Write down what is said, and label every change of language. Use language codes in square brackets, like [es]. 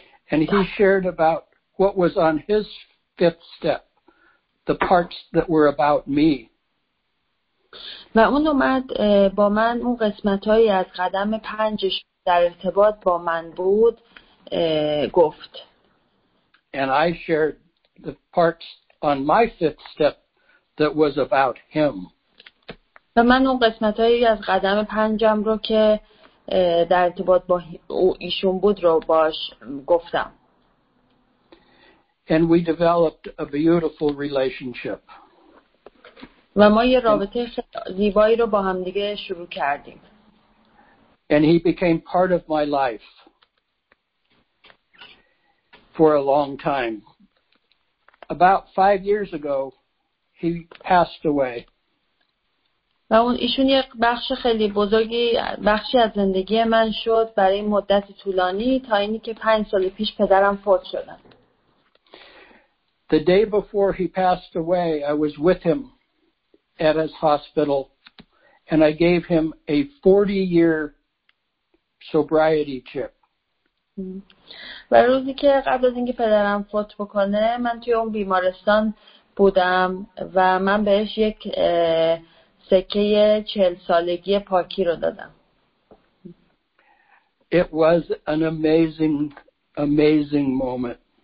[en] And he shared about what was on his fifth step, the parts that were about me. [fa] و اون اومد با من اون قسمت‌هایی از قدم پنجش در ارتباط با من بود گفت. [en] And I shared the parts on my fifth step that was about him. [fa] و من اون قسمت‌هایی از قدم پنجم رو که در ارتباط با ایشون بود رو باش گفتم. [en] And we developed a beautiful relationship. [fa] و ما یه رابطه زیبایی رو با هم دیگه شروع کردیم. [en] And he became part of my life for a long time. About 5 years ago, he passed away. [fa] و اون ایشون یه بخش خیلی بزرگی بخشی از زندگی من شد برای مدت طولانی تا اینی که 5 سال پیش پدرم فوت شد. [en] The day before he passed away, I was with him at his hospital, and I gave him a 40-year sobriety chip. [fa] و روزی که قبل از اینکه پدرم فوت بکنه، من توی اون بیمارستان بودم و من بهش یک سکه 40 سالگی پاکی رو دادم. [en] It was an amazing, amazing moment.